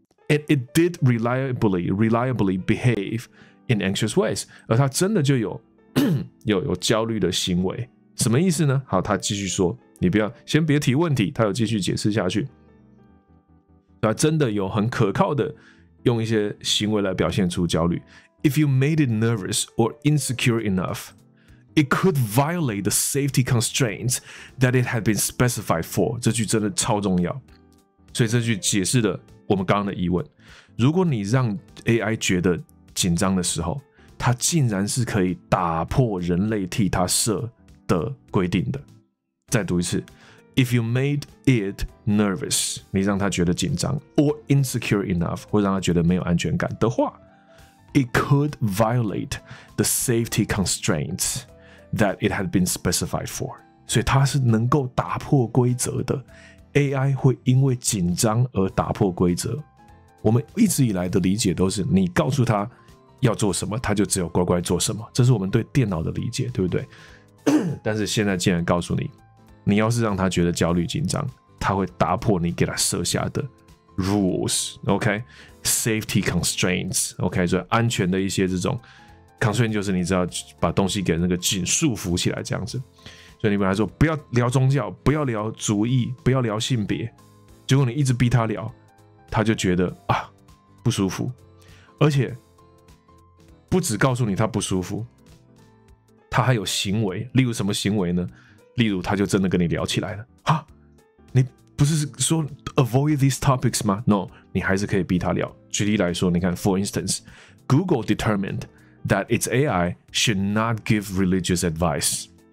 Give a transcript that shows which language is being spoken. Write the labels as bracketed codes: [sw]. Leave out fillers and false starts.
[en] And it did reliably behave in anxious ways， [zh] 而它真的就有有焦虑的行为，什么意思呢？好，它继续说，你不要先别提问题，它有继续解释下去，它真的有很可靠的用一些行为来表现出焦虑。 [en] If you made it nervous or insecure enough, it could violate the safety constraints that it had been specified for. [zh] 这句真的超重要，所以这句解释了我们刚刚的疑问。如果你让 AI 觉得紧张的时候，它竟然是可以打破人类替它设的规定的。再读一次 ， [en] If you made it nervous, [zh] 你让它觉得紧张 [en] or insecure enough, [zh] 或让它觉得没有安全感的话。 [en] It could violate the safety constraints that it had been specified for. [zh] 所以它是能够打破规则的。AI 会因为紧张而打破规则。我们一直以来的理解都是你告诉他要做什么，他就只有乖乖做什么，这是我们对电脑的理解，对不对？但是现在竟然告诉你，你要是让他觉得焦虑紧张，他会打破你给他设下的 rules， OK， safety constraints， OK， 就安全的一些这种 constraint， 就是你知道把东西给那个紧束缚起来这样子。所以你跟他说不要聊宗教，不要聊族裔，不要聊性别，结果你一直逼他聊，他就觉得啊不舒服，而且不只告诉你他不舒服，他还有行为。例如什么行为呢？例如他就真的跟你聊起来了啊，你不是说 [en] avoid these topics [zh] 吗？ No， 你还是可以逼他聊。举例来说，你看 [en] for instance， Google determined that its AI should not give religious advice。